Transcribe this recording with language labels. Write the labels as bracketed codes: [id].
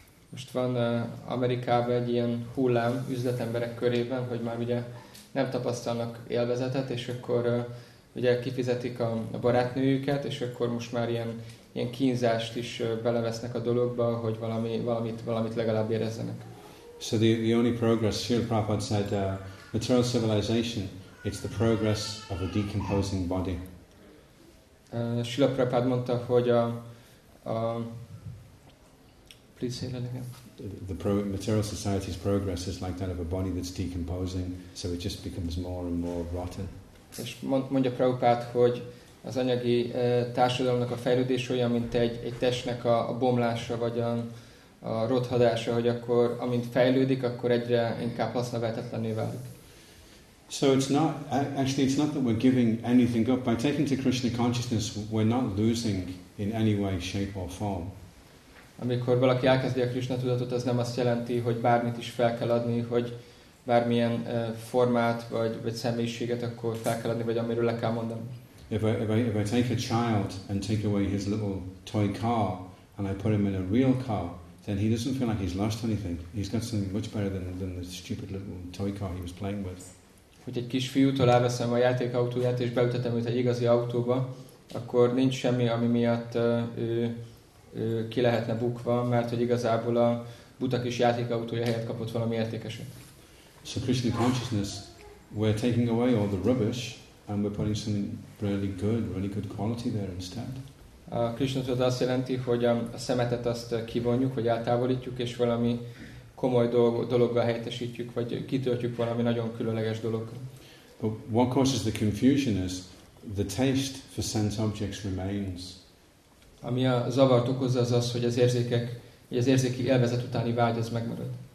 [hu] Most van Amerikában egy ilyen hullám üzletemberek körében, hogy már ugye nem tapasztalnak élvezetet, és akkor ugye kifizetik a barátnőjüket, és akkor most már ilyen kínzást is belevesznek a dologba, hogy valamit legalább érezzenek. [en] So the only progress, Srila Prabhupada said, material civilization, it's the progress of a decomposing body. [hu] Srila Prabhupada mondta, hogy a [en] please say that again. Material society's progress is like that of a body that's decomposing, so it just becomes more and more rotten. [hu] És mondja Prabhupada, hogy az anyagi társadalomnak a fejlődés olyan, mint egy testnek a bomlása, vagy a rothadása, hogy akkor, amint fejlődik, akkor egyre inkább hasznavehetetlenné válik. [en] So it's not that we're giving anything up. By taking to Krishna consciousness, we're not losing in any way, shape or form. [hu] Amikor valaki elkezdi a Krishna tudatot, az nem azt jelenti, hogy bármit is fel kell adni, hogy bármilyen formát vagy személyiséget akkor fel kell adni, vagy amiről le kell mondani. [en] If I take a child and take away his little toy car and I put him in a real car, then he doesn't feel like he's lost anything. He's got something much better than the stupid little toy car he was playing with. [hu] Hogy egy kis fiútól elveszem a játékautóját és beütetem őt egy igazi autóba, akkor nincs semmi, ami miatt ő ki lehetne bukva, mert hogy igazából a buta kis játékautója helyett kapott valami értékeset. [en] So Krishna consciousness, we're taking away all the rubbish and we're putting something really good quality there instead. [hu] A Krishna tudat azt jelenti, hogy a szemetet azt kivonjuk, vagy eltávolítjuk, és valami komoly dologgal helyettesítjük, vagy kitöltjük valami nagyon különleges dologgal. [en] But what causes the confusion is the taste for sense objects remains. [hu] Ami a zavart okozza az, hogy az érzéki élvezet utáni vágy az megmarad.